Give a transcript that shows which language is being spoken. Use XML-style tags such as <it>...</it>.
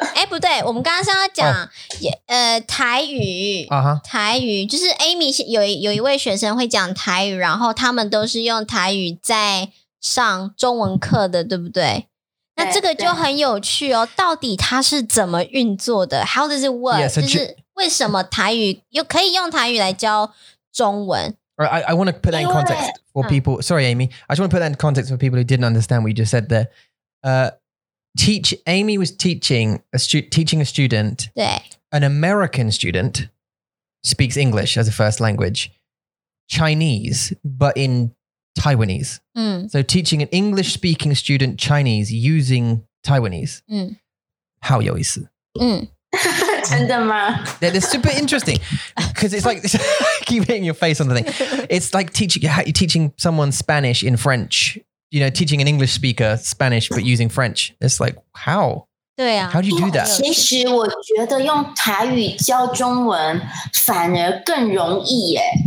<zh>哎，不对，我们刚刚是要讲，台语，台语，就是 Amy 有一位学生会讲台语，然后他们都是用台语在上中文课的，对不对？那这个就很有趣哦，到底它是怎么运作的 ？</zh> <en>How does it work？</en> <zh>就是为什么台语又可以用台语来教中文？</zh> <en>I want to put that in context for people. Sorry, Amy. I just want to put that in context for people who didn't understand what you just said there. Amy was teaching a student. An American student speaks English as a first language, Chinese, but in Taiwanese. So teaching an English speaking student Chinese using Taiwanese.</en> <zh>好有意思. 真的吗?</zh> <en>They're super interesting because it's like, keep hitting your face on the thing. It's like teaching someone Spanish in French, you know, teaching an English speaker Spanish, but using French. It's like, how?</en> <zh>对啊,</zh> <en>how do you do that?</en> <zh>其实我觉得用台语教中文反而更容易耶。</zh>